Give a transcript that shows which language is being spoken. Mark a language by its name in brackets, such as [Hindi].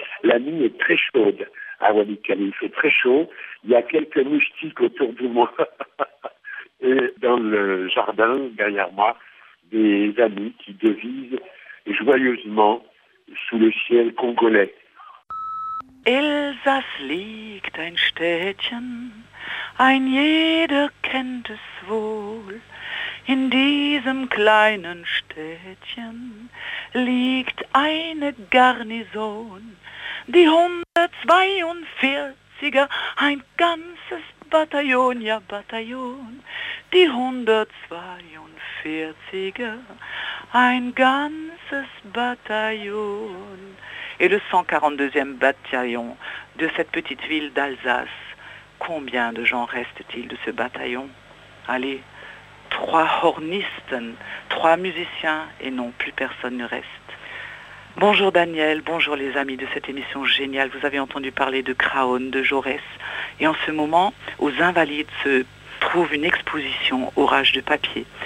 [French] La nuit est très chaude à Wadi Kalim, c'est très chaud. Il y a quelques moustiques autour de moi, et dans le jardin derrière moi, des amis qui devisent joyeusement sous le ciel congolais. [German] Elsass liegt ein Städtchen, ein jeder kennt es wohl. In diesem kleinen Städtchen liegt eine Garnison, die 142er, ein ganzes Bataillon, ja Bataillon, die 142er, ein ganzes Bataillon. [French] Et le 142e bataillon de cette petite ville d'Alsace, combien de gens restent-ils de ce bataillon? Allez, trois hornisten, trois musiciens, et non, plus personne ne reste. Bonjour Daniel, bonjour les amis de cette émission géniale. Vous avez entendu parler de Craon, de Jaurès, et en ce moment, aux Invalides se trouve une exposition Orage de papier.